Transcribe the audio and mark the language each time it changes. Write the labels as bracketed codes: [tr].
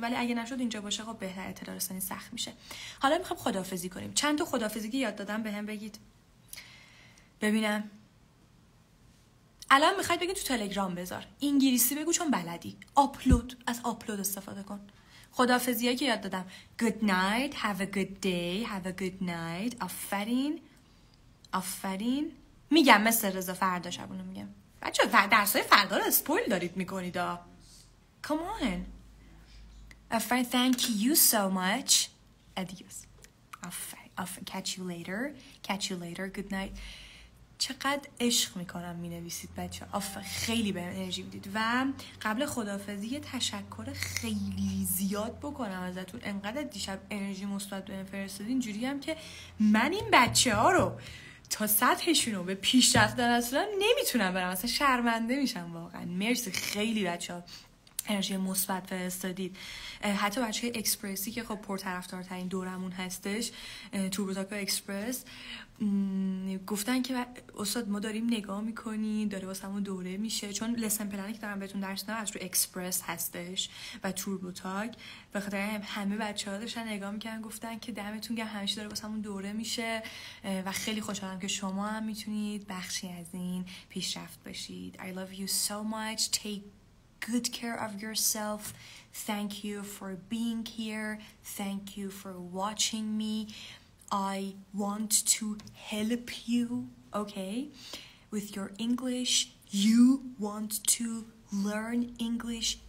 [fa] ولی اگه نشد اینجا باشه خب بهتر، اطلاع رسانی سخت میشه. حالا میخوام خدافظی کنیم. چند تا خدافظی که یاد دادم به هم بگید ببینم. الان میخواید بگید تو تلگرام بذار، انگلیسی بگو چون بلدی. آپلود، از آپلود استفاده کن. خدافظی هایی که یاد دادم: [en] good night, have a good day, have a good night. [fa] آفرین، آفرین. میگم مثل رضا فردا شبونو میگم. بچه درس های فردا رو اسپویل دارید میکنید. [en] Come on. A friend, thank you so much. Adios. Catch you later. Catch you later. Good night. [fa] چقدر عشق میکنم مینویسید بچه. خیلی به انرژی میدید. و قبل خدافظی یه تشکر خیلی زیاد بکنم ازتون. انقدر دیشب انرژی مثبت به من فرستادید، اینجوری هم که من این بچه ها رو تا سطحشون رو به پیش رفتن اصلا نمیتونم برم. اصلا شرمنده میشم واقعا. مرسی خیلی بچه ها. انرژی مثبت فرستادید. حتی بچه اکسپرسی که خب پرطرفدارترین دورمون هستش، توربوتاکی اکسپرس، گفتن که استاد ما داریم نگاه میکنیم، داره واسمون دوره میشه. چون لسن پلنی که دارم بهتون درس میدم از رو اکسپرس هستش و توربوتاک، بخاطر همه بچه‌ها داشتن نگاه میکنن، گفتن که دمتون گرم، همیشه داره واسمون دوره میشه و خیلی خوشحالم که شما هم میتونید بخشی از این پیشرفت بشید. [en] I love you so much. Take good care of yourself. Thank you for being here. Thank you for watching me. I want to help you, okay, with your English. You want to learn English.